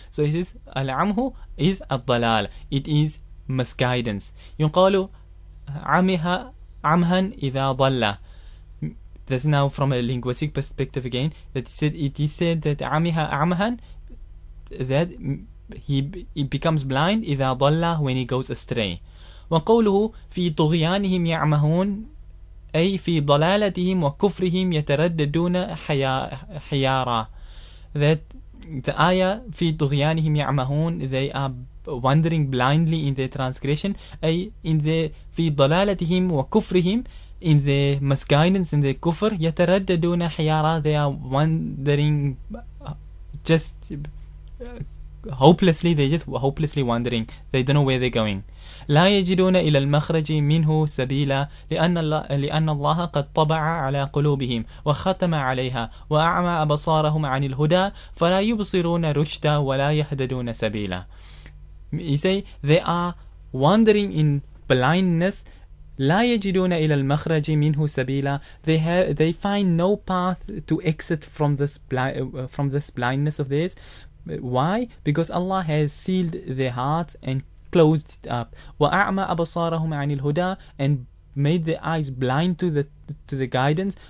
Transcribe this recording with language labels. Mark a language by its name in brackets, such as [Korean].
[English] So he says, العمه is الضلال, it is misguidance. [Arabic] يقال عمها إذا ضل. [English] This is now from a linguistic perspective again, that it is said that [Arabic] عمها عمهن, [English] that he becomes blind, [Arabic] إذا ضل, [English] when he goes astray. [Arabic] وقوله في طغيانهم يعمهون أي في ضلالتهم وكفرهم يترددون حيارا. [English] That the ayah [Arabic] في طغيانهم يعمهون, [English] they are wandering blindly in their transgression, [Arabic] أي [English] in the [Arabic] في ضلالتهم وكفرهم, [English] in the misguidance and the كفر, [Arabic] يترددون حيارا, [English] they are wandering just hopelessly, they're just hopelessly wandering, they don't know where they're going. [Arabic] لا يجدون إلى المخرج منه سبيلا لأن الله قد طبع على قلوبهم وختم عليها وأعمى أبصارهم عن الهدى فلا يبصرون رشدا ولا يهتدون سبيلا. [English] He say they are wandering in blindness. [Arabic] لا يجدون إلى المخرج منه سبيلا. [English] They find no path to exit from this blindness of theirs. Why? Because Allah has sealed their hearts and closed it up. [Arabic] وَأَعْمَى أَبَصَارَهُمْ عَنِ الْهُدَى, [English] and made their eyes blind to the guidance.